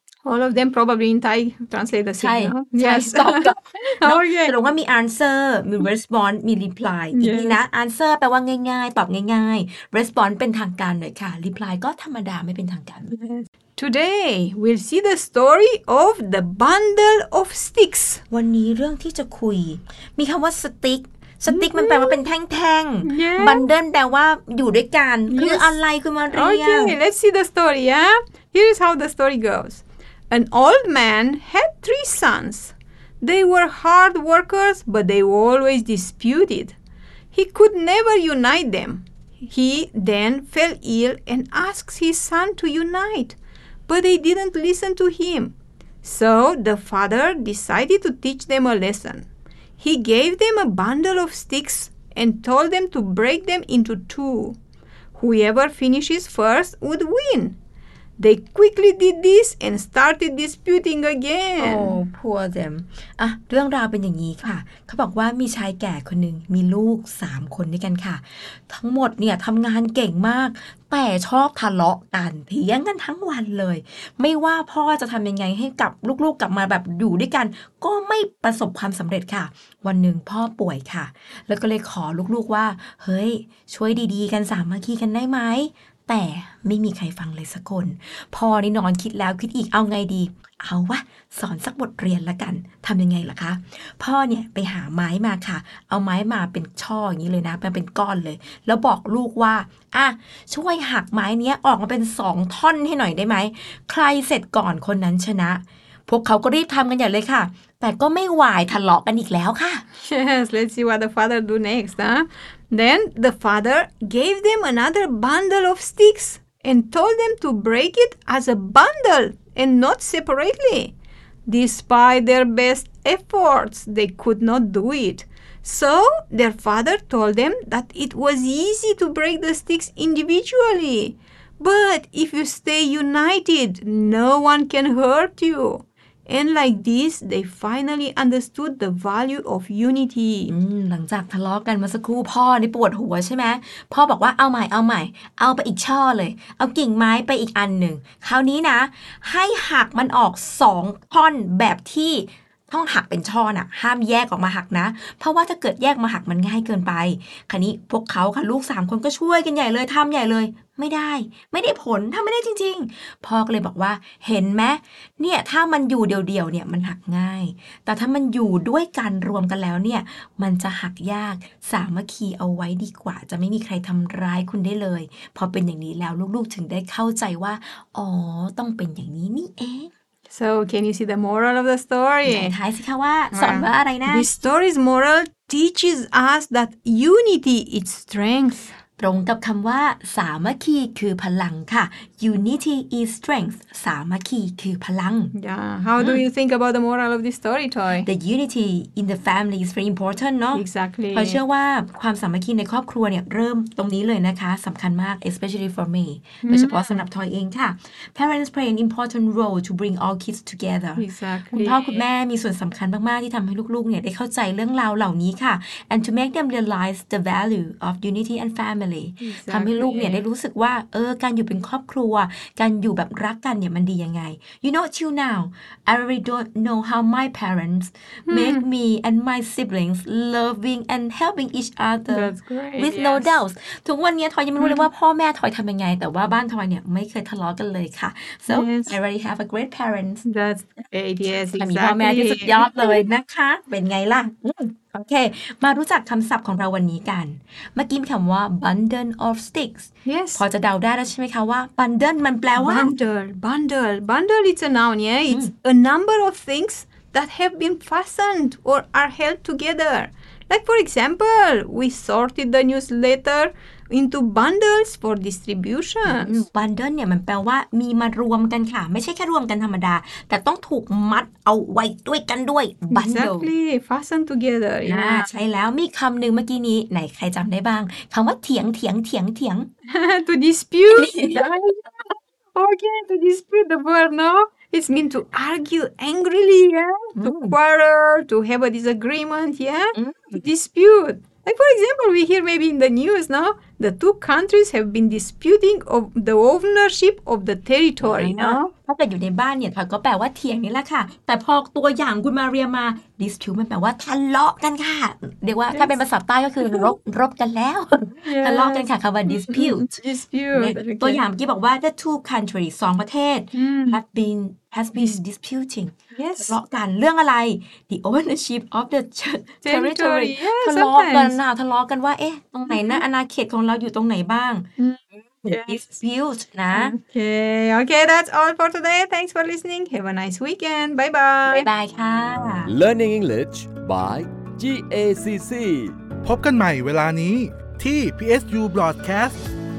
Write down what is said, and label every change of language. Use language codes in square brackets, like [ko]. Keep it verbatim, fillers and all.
[en] All of them probably in Thai translate the same. [th] ใช่ใช่ stop กับแสดงว่ามี answer มี response มี reply อีกทีนะ answer แปลว่าง่ายๆตอบง่ายๆ response เป็นทางการหน่อยค่ะ reply ก็ธรรมดาไม่เป็นทางการ [en] Today we'll see the story of the bundle of sticks [th] วันนี้เรื่องที่จะคุยมีคำว่า stickสติ๊กมันแปลว่าเป็นแท่งๆ bundle แปลว่าอยู่ด้วยกันคืออะไรคือมันเรียก [en] Okay let's see the story yeah here's how the story goes An old man had three sons. They were hard workers, but they always disputed. He could never unite them. He then fell ill and asked his son to unite, but they didn't listen to him. So the father decided to teach them a lesson. He gave them a bundle of sticks and told them to break them into two. Whoever finishes first would win. They quickly did this and started disputing again. Oh, poor them. [th] อ่ะเรื่องราวเป็นอย่างนี้ค่ะเขาบอกว่ามีชายแก่คนหนึ่งมีลูกสามคนด้วยกันค่ะทั้งหมดเนี่ยทำงานเก่งมากแต่ชอบทะเลาะกันเถียงกันทั้งวันเลยไม่ว่าพ่อจะทำยังไงให้กับลูกๆ ก, กลับมาแบบอยู่ด้วยกันก็ไม่ประสบความสำเร็จค่ะวันหนึ่งพ่อป่วยค่ะแล้วก็เลยขอลูกๆว่าเฮ้ยช่วยดีๆกันสามัคคีกันได้ไหม แต่ไม่มีใครฟังเลยสักคนพ่อนี่นอนคิดแล้วคิดอีกเอาไงดีเอาวะสอนสักบทเรียนละกันทำยังไงล่ะคะพ่อเนี่ยไปหาไม้มาค่ะเอาไม้มาเป็นช่ออย่างนี้เลยนะเป็นก้อนเลยแล้วบอกลูกว่าอ่ะช่วยหักไม้เนี้ยออกมาเป็นสองท่อนให้หน่อยได้ไหมใครเสร็จก่อนคนนั้นชนะพวกเขาก็รีบทำกันใหญ่เลยค่ะแต่ก็ไม่ไหวทะเลาะกันอีกแล้วค่ะ [en] Yes, let's see what the father do next, huh? Then the father gave them another bundle of sticks and told them to break it as a bundle and not separately. Despite their best efforts, they could not do it. So their father told them that it was easy to break the sticks individually. But if you stay united, no one can hurt you. And like this, they finally understood the value of unity. [th] หลังจากทะเลาะ กันมาสักครู่พ่อนี่ปวดหัวใช่ไหมพ่อบอกว่าเอาใหม่เอาใหม่เอาไปอีกช่อเลยเอากิ่งไม้ไปอีกอันหนึ่งคราวนี้นะให้หักมันออกสองท่อนแบบที่ ต้องหักเป็นช่อน่ะห้ามแยกออกมาหักนะเพราะว่าถ้าเกิดแยกมาหักมันง่ายเกินไปคราวนี้พวกเขาค่ะลูกสามคนก็ช่วยกันใหญ่เลยทำใหญ่เลยไม่ได้ไม่ได้ผลทำไม่ได้จริงๆพ่อก็เลยบอกว่าเห็นไหมเนี่ยถ้ามันอยู่เดียวๆเนี่ยมันหักง่ายแต่ถ้ามันอยู่ด้วยกันรวมกันแล้วเนี่ยมันจะหักยากสามัคคีเอาไว้ดีกว่าจะไม่มีใครทำร้ายคุณได้เลยพอเป็นอย่างนี้แล้วลูกๆถึงได้เข้าใจว่าอ๋อต้องเป็นอย่างนี้นี่เอง [en] So, can you see the moral of the story? [th] ไหนท้ายสิคะว่าสอนว่าอะไรนะ [en] This story's moral teaches us that unity is strength. [th] ตรงกับคำว่าสามัคคีคือพลังค่ะ [en] Unity is strength. [th] สามัคคีคือพลัง [en] Yeah. How do you think about the moral of this story, Toy? The unity in the family is very important, no? Exactly. [th] เพราะเชื่อว่าความสามัคคีในครอบครัวเนี่ยเริ่มตรงนี้เลยนะคะสำคัญมาก [en] especially for me [th] โดยเฉพาะสำหรับ Toy เองค่ะ [en] Parents play an important role to bring all kids together. Exactly. [th] คุณพ่อคุณแม่มีส่วนสำคัญมากๆที่ทำให้ลูกๆเนี่ยได้เข้าใจเรื่องราวเหล่านี้ค่ะ [en] and to make them realize the value of unity and family [th] ทำให้ลูกเนี่ยได้รู้สึกว่าเออการอยู่เป็นครอบครัวการอยู่แบบรักกันเนี่ยมันดียังไง [en] You know till now I really don't know how my parents make me and my siblings loving and helping each other with no doubts [th] ทุกวันนี้ทอยยังไม่รู้เลยว่าพ่อแม่ทอยทำยังไงแต่ว่าบ้านทอยเนี่ยไม่เคยทะเลาะกันเลยค่ะ [en] So I really have a great parents That's great Yes Exactly [th] มีพ่อแม่ที่สุดยอดเลยนะคะเป็นไงล่ะโอเคมารู้จักคำศัพท์ของเราวันนี้กันเมื่อกี้มีคำว่า bundle of sticks [en] yes [th] พอจะเดาได้แล้วใช่ไหมคะว่า bundle มันแปลว่า [en] bundle bundle bundle it's a noun yeah it's a number of things that have been fastened or are held together like for example we sorted the newsletter into bundles for distribution [th] bundle เนี่ยมันแปลว่ามีมารวมกันค่ะไม่ใช่แค่รวมกันธรรมดาแต่ต้องถูกมัดเอาไว้ด้วยกันด้วย bundle [en] exactly fastened together [th] อ่าใช่แล้วมีคำหนึ่งเมื่อกี้นี้ไหนใครจำได้บ้างคำว่าเถียงเถียงเถียงเถียง [en] to dispute okay to dispute the word no it's mean to argue angrily yeah to quarrel to have a disagreement yeah to dispute Like for example, we hear maybe in the news now, the two countries have been disputing of the ownership of the territory. [th] เนาะถ้าเกิดอยู่ในบ้านเนี่ยก็แปลว่าเถียงนี่แหละค่ะแต่พอตัวอย่างคุณมาเรียมา dispute มันแปลว่าทะเลาะกันค่ะเรียกว่าถ้าเป็นภาษาใต้ก็คือรบรบกันแล้วทะเลาะกันค่ะคำว่า dispute [en] dispute [th] ตัวอย่างเมื่อกี้บอกว่า [en] the two countries สองประเทศ have been has been disputing [th] ท ะเลาะกันเรื่องอะไร [en] the ownership of the territory [th] ทะเลาะกันน่ะทะเลาะกันว่าเอ๊ะตรงไหนนะอาณาเขตของเราอยู่ตรงไหนบ้าง dispute นะ [en] Okay okay that's all for today thanks for listening have a nice weekend bye bye [th] บ๊ายบายค่ะ [en] Learning English by จี เอ ซี ซี [th] พบกันใหม่เวลานี้ที่ พี เอส ยู Broadcast